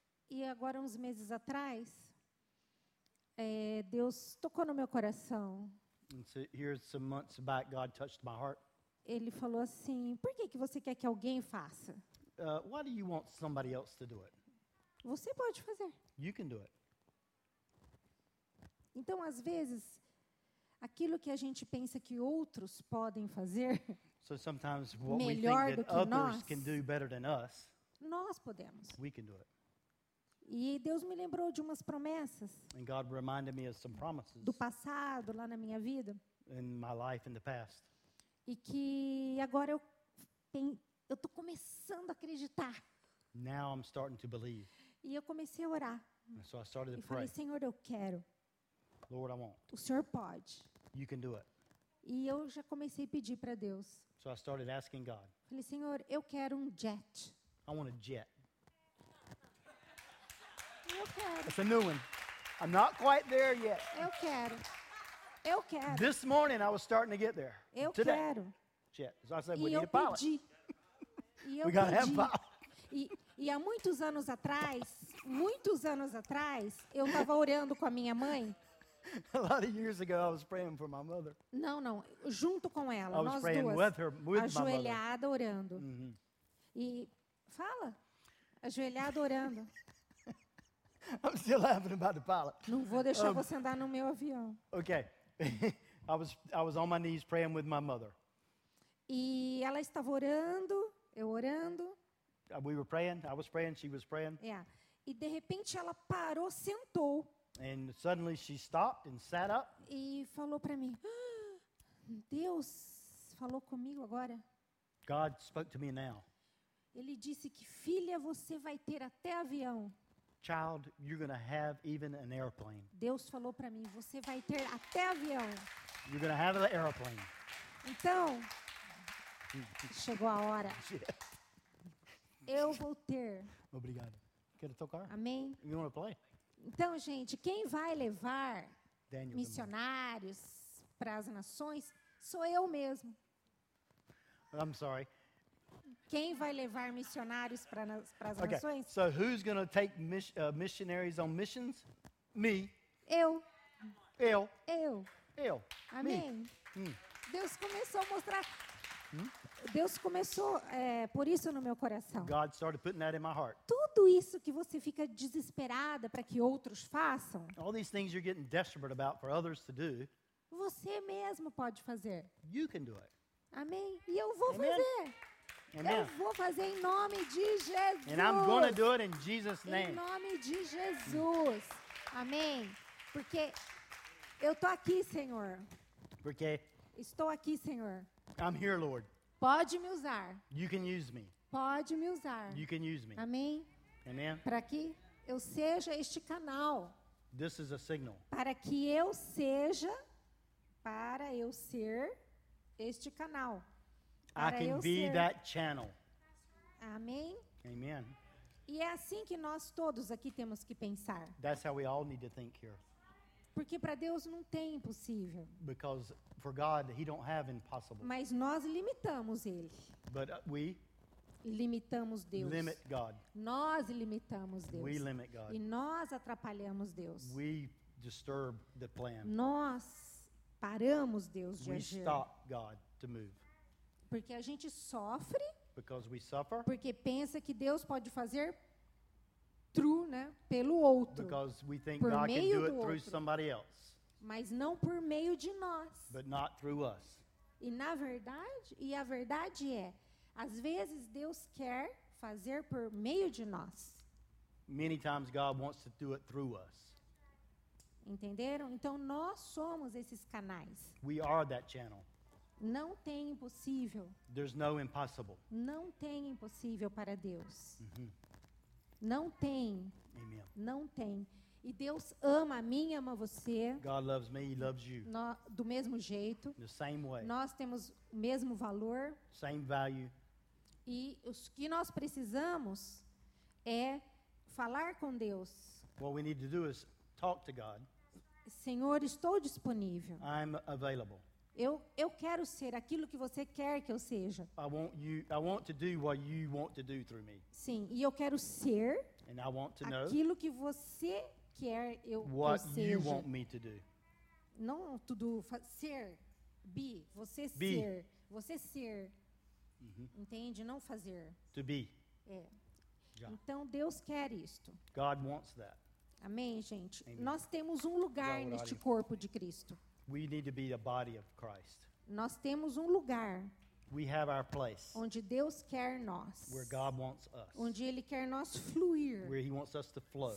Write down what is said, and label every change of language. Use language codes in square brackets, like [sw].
[pt] E agora, uns meses atrás, Deus tocou no meu coração. [en] And so here, some months back, God touched my heart. [pt] Ele falou assim, por que que você quer que alguém faça? [en] Why do you want somebody else to do it? [pt] Você pode fazer. [en] You can do it. [pt] Então, às vezes, aquilo que a gente pensa que outros podem fazer [en] so sometimes what we think that others can do better than us, [pt] nós podemos. [en] We can do it. [pt] E Deus me lembrou de umas promessas. [en] And God reminded me of some promises. [pt] Do passado, lá na minha vida. [en] In my life in the past. [pt] E que agora eu tô começando a acreditar. [en] Now I'm starting to believe. [pt] E eu comecei a orar. [en] And so I started to pray. [pt] E falei, Senhor, eu quero. [en] Lord, I want. [pt] O Senhor pode. [en] You can do it. [pt] E eu já comecei a pedir para Deus. [en] So I started asking God. [pt] Falei, Senhor, eu quero um jet. [en] I want a jet. [pt] Eu quero. [en] It's a new one. I'm not quite there yet. [pt] Eu quero. Eu quero. [en] This morning I was starting to get there. [pt] Eu [en] today. [pt] Quero. [en] Jet. So I said, we need a pilot. [pt] Pedi. [en] We got to have a pilot. [pt] E há muitos anos atrás, eu estava orando com a minha mãe. [en] A lot of years ago, I was praying for my mother. [pt] Não, junto com ela, [en] I was [pt] nós [en] praying [pt] duas, [en] with her, with [pt] ajoelhada orando. Mm-hmm. E fala, ajoelhada orando. [en] I'm still laughing about the pilot. [pt] Não vou deixar você andar no meu avião. [en] Okay, I was on my knees praying with my mother. [pt] E ela estava orando, eu orando. [en] We were praying. I was praying. She was praying. Yeah. [pt] E de repente ela parou, sentou. [en] And suddenly she stopped and sat up. [pt] E falou para mim, Deus falou comigo agora. [en] God spoke to me now. [pt] Ele disse que filha você vai ter até avião. [en] Child, you're gonna have even an airplane. [pt] Deus falou para mim, você vai ter até avião. [en] You're gonna have an airplane. [pt] Então chegou a hora. Eu vou ter. Obrigado. Quero tocar. Amém. [en] You want to play? [pt] Então, gente, quem vai levar Daniel missionários para as nações sou eu mesmo. [en] I'm sorry. [pt] Quem vai levar missionários para as [en] okay. [pt] nações? [en] So who's going to take missionaries on missions? Me. [pt] Eu. Eu. Eu. Eu. Amém. [en] Me. [pt] Deus começou a mostrar. Deus começou por isso no meu coração. [en] God started putting that in my heart. [pt] Tudo isso que você fica desesperada para que outros façam. [en] All these things you're getting desperate about for others to do. [pt] Você mesmo pode fazer. [en] You can do it. [pt] Amém. E eu vou [en] Amen. [pt] Fazer. [en] Amen. [pt] Eu vou fazer em nome de Jesus. [en] And I'm going to do it in Jesus' name. [pt] Em nome de Jesus. Amém. Porque eu tô aqui, Senhor. Porque estou aqui, Senhor. [en] I'm here, Lord. [pt] Pode me usar. [en] You can use me. [pt] Pode me usar. [en] You can use me. [pt] Amém. [en] Amen. [pt] Para que eu seja este canal. [en] This is a signal. [pt] Para que eu seja, para eu ser este canal. Para [en] I can [pt] eu [en] be [pt] ser. [en] That channel. [pt] Amém. [en] Amen. [pt] E é assim que nós todos aqui temos que pensar. [en] That's how we all need to think here. [pt] Porque para Deus não tem impossível. [en] Because for God, he don't have impossible. [pt] Mas nós limitamos ele. [en] But we [pt] limitamos Deus. [en] Limit God. [pt] Nós limitamos Deus. [en] We limit God. [pt] E nós atrapalhamos Deus. [en] We disturb the plan. [pt] Nós paramos Deus de [en] we [pt] agir. [en] We stop God to move. [pt] Porque a gente sofre. [en] Because we suffer. [pt] Porque pensa que Deus pode fazer true, né? Pelo outro. [en] Because we think [pt] por [en] God can do it through somebody else. [pt] Mas não por meio de nós. [en] But not through us. [pt] E na verdade, e a verdade é, às vezes Deus quer fazer por meio de nós. [en] Many times God wants to do it through us. [pt] Entenderam? Então nós somos esses canais. [en] We are that channel. [pt] Não tem impossível. [en] There's no impossible. [pt] Não tem impossível para Deus. Mm-hmm. Não tem. [en] Amen. [pt] Não tem. E Deus ama a mim, ama você. [en] God loves me, he loves you. [pt] Do mesmo jeito. [en] The same way. [pt] Nós temos o mesmo valor. [en] Same value. [pt] E o que nós precisamos é falar com Deus. [en] What we need to do is talk to God. [pt] Senhor, estou disponível. [en] I'm available. [pt] Eu quero ser aquilo que você quer que eu seja. [en] I want to do what you want to do through me. [pt] Sim, e eu quero ser [en] and I want to know [pt] aquilo que você quer eu seja. [en] What you want me to do. [pt] Não [en] to do, [pt] ser, [en] be, [pt] você [en] be. [pt] Ser, você ser. Mm-hmm. Entende? Não fazer. [en] To be. [pt] É. [en] Yeah. [pt] Então Deus quer isto. [en] God wants that. [pt] Amém, gente. [en] Amen. [pt] Nós temos um lugar God neste corpo de Cristo. [en] We need to be the body of Christ. [pt] Nós temos um lugar. [en] We have our place. [pt] Onde Deus quer nós. [en] Where God wants us. [pt] Onde Ele quer nós fluir. [en] Where He wants us to flow.